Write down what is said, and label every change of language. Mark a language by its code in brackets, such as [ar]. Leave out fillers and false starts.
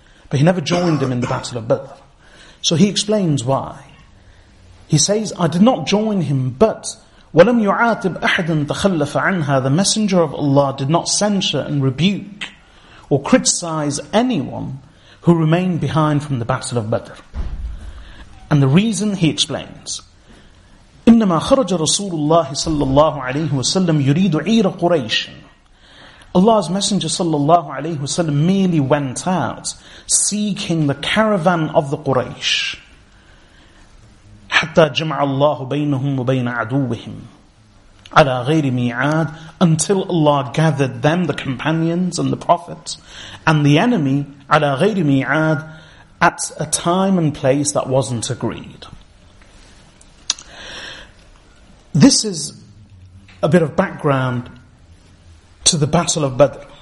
[en] But he never joined him in the Battle of Badr. So he explains why. He says, I did not join him, but [ar] وَلَمْ يُعَاتِبْ أَحَدًا تَخَلَّفَ عَنْهَا. [en] The Messenger of Allah did not censure and rebuke or criticize anyone who remained behind from the Battle of Badr. And the reason he explains, [ar] إنما خرج رسول الله صلى الله عليه وسلم يريد عير قريش. [en] Allah's Messenger [ar] صلى الله عليه وسلم [en] merely went out seeking the caravan of the Quraysh. [ar] حتى جمع الله بينهم وبين عدوهم على غير ميعاد. [en] Until Allah gathered them, the companions and the prophets, and the enemy [ar] على غير ميعاد, [en] at a time and place that wasn't agreed. This is a bit of background to the Battle of Badr.